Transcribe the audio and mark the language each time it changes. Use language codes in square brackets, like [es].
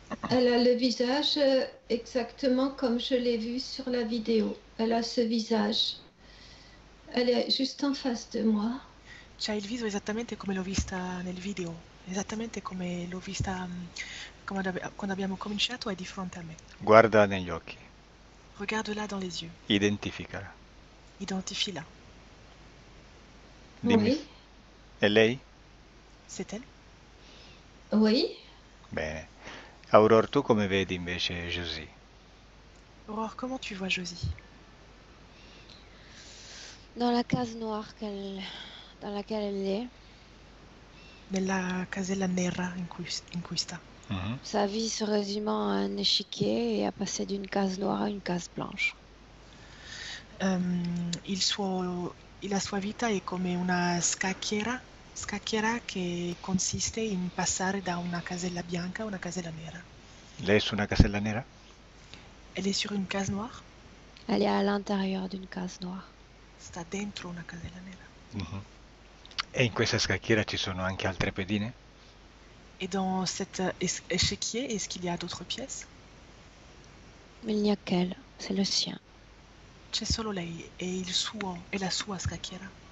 [fr] Elle a le visage exactement comme je l'ai vu sur la vidéo. Elle a ce visage. Elle est juste en face de moi. [it] C'è il viso esattamente come l'ho vista nel video, esattamente come l'ho vista quando abbiamo cominciato, è di fronte a me. Guarda negli occhi. Identificala. [fr] Regarde-la dans les yeux. Identifie-la. [it] Dimmi. [fr] Oui. [it] È lei? Bene. [fr] C'est elle? Oui. [it] Aurore, tu come vedi invece Josie? [fr] Aurore, comment tu vois Josie? Dans la case noire qu'elle... dans laquelle elle est. [it] Nella casella nera in cui sta. [fr] Sa vie se résumant à un échiquier et à passer d'une case noire à une case blanche. [it] La sua vita è come una scacchiera che consiste in passare da una casella bianca a una casella nera. Lei è su una casella nera? [fr] Elle est sur une case noire? Elle est à l'intérieur d'une case noire. [it] Sta dentro una casella nera. E in questa scacchiera ci sono anche altre pedine? [fr] Et dans cet échiquier, es est-ce qu'il y a d'autres pièces? Il n'y a qu'elle, c'est le sien. [it] C'è solo lei e la sua scacchiera.